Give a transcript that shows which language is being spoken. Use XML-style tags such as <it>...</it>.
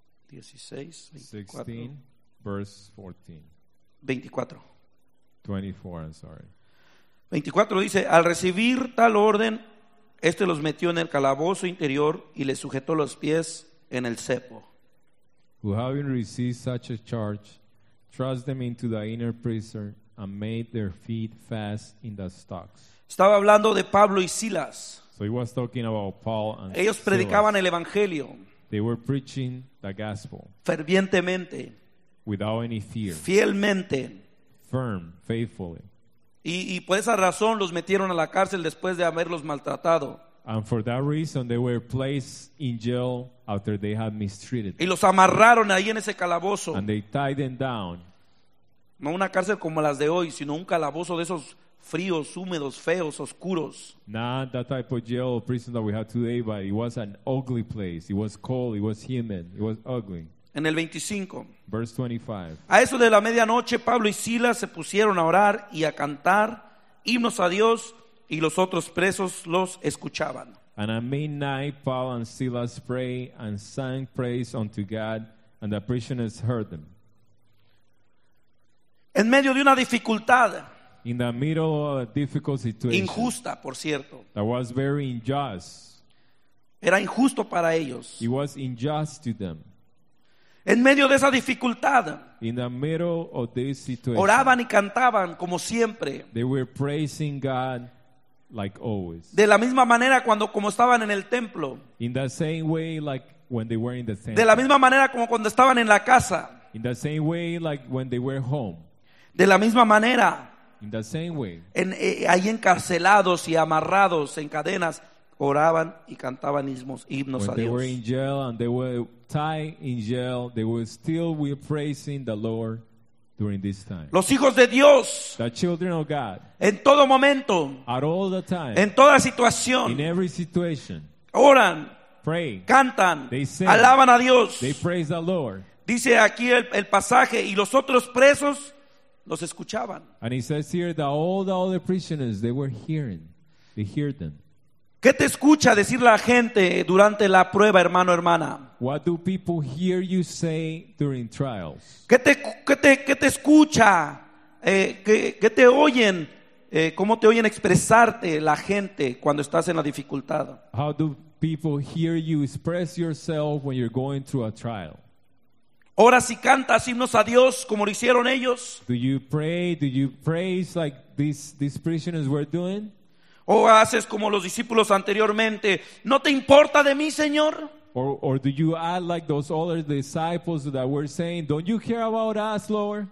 <es>24 dice, al recibir tal orden, este los metió en el calabozo interior y les sujetó los pies en el cepo.</es> <en>Who having received such a charge, thrust them into the inner prison and made their feet fast in the stocks.</en> <es>Estaba hablando de Pablo y Silas.</es> <en>So he was talking about Paul and</en> <es>Silas. Ellos predicaban el evangelio.</es> <en>They were preaching the gospel.</en> <es>Fervientemente.</es> <en>Without any fear.</en> <es>Fielmente.</es> <en>Firm, faithfully.</en> <es>Y por esa razón los metieron a la cárcel después de haberlos maltratado.</es> <en>And for that reason they were placed in jail after they had mistreated them.</en> <es>Y los amarraron ahí en ese calabozo.</es> <en>And they tied them down.</en> <es>No una cárcel como las de hoy, sino un calabozo de esos fríos, húmedos, feos, oscuros.</es> <en>Not that type of jail or prison that we have today, but it was an ugly place. It was cold, it was humid, it was ugly.</en> <es>En el 25.</es> <en>Verse 25.</en> <es>A eso de la medianoche, Pablo y Silas se pusieron a orar y a cantar himnos a Dios, y los otros presos los escuchaban.</es> <en>And at midnight, Paul and Silas prayed and sang praise unto God, and the prisoners heard them.</en> <es>En medio de una dificultad.</es> <en>In the middle of a difficult situation.</en> <es>Injusta, por cierto.</es> <en>That was very unjust.</en> <es>Era injusto para ellos.</es> <en>It was unjust to them.</en> <es>En medio de esa dificultad.</es> <en>In the middle of this situation.</en> <es>Oraban y cantaban como siempre.</es> <en>They were praising God like always.</en> <es>De la misma manera cuando como estaban en el templo.</es> <en>In the same way like when they were in the temple.</en> <es>De la misma manera como cuando estaban en la casa.</es> <en>In the same way like when they were home.</en> <es>De la misma manera.</es> <en>In the same way.</en> <es>Ahí encarcelados y amarrados en cadenas, oraban y cantaban himnos a Dios.</es> <en>When they were in jail and they were tied in jail, they were still praising the Lord during this time.</en> <es>Los hijos de Dios.</es> <en>The children of God.</en> <es>En todo momento.</es> <en>At all the time.</en> <es>En toda situación.</es> <en>In every situation.</en> <es>Oran.</es> <en>Pray.</en> <es>Cantan.</es> <en>They sing.</en> <es>Alaban a Dios.</es> <en>They praise the Lord.</en> <es>Dice aquí el pasaje, y los otros presos los escuchaban.</es> <en>And he says here that all the other prisoners, they were hearing. They heard them.</en> <es>¿Qué te escucha decir la gente durante la prueba, hermano, hermana?</es> <en>What do people hear you say during trials?</en> <es>¿Qué te escucha? ¿Qué te oyen ¿Cómo te oyen expresarte la gente cuando estás en la dificultad?</es> <en>How do people hear you express yourself when you're going through a trial?</en> <es>¿Oras y cantas himnos a Dios como lo hicieron ellos?</es> <en>Do you pray? Do you praise like these prisoners were doing?</en> <es>¿O haces como los discípulos anteriormente? ¿No te importa de mí, Señor?</es> <en>Or do you act like those other disciples that were saying, "Don't you care about us, Lord?"</en>